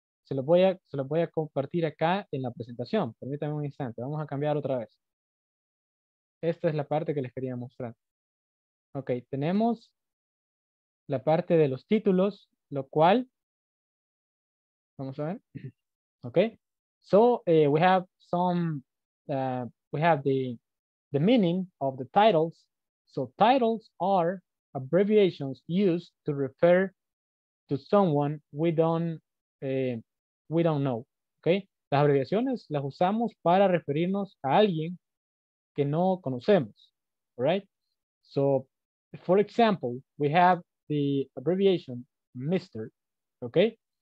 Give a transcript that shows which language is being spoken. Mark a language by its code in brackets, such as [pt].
[es] Se lo voy a compartir acá en la presentación. Permítanme un instante. Vamos a cambiar otra vez. Esta es la parte que les quería mostrar. Ok, tenemos la parte de los títulos, lo cual, vamos a ver. [en] Ok, so we have some, we have the meaning of the titles. So titles are abbreviations used to refer to someone we don't know, okay? [es] Las abreviaciones las usamos para referirnos a alguien que no conocemos, right? [en] So, for example, we have the abbreviation Mr., okay?